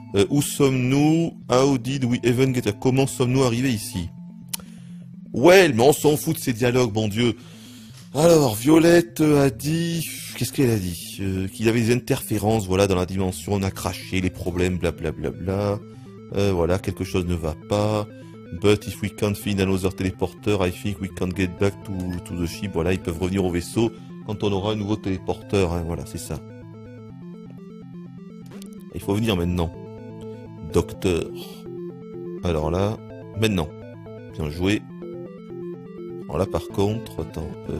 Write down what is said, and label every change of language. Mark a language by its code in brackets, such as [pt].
[fr] Où sommes-nous? [en] How did we even get here? [fr] Comment sommes-nous arrivés ici? Well, mais on s'en fout de ces dialogues, bon Dieu. Alors, Violette a dit... Qu'est-ce qu'elle a dit? Qu'il y avait des interférences, voilà, dans la dimension. On a craché les problèmes, blablabla. Voilà, quelque chose ne va pas. [en] But if we can't find another teleporter, I think we can't get back to the ship. [fr] Voilà, ils peuvent revenir au vaisseau. Quand on aura un nouveau téléporteur, hein, voilà, c'est ça. Il faut venir maintenant. Docteur. Alors là, maintenant. Bien joué. Alors là, par contre, attends.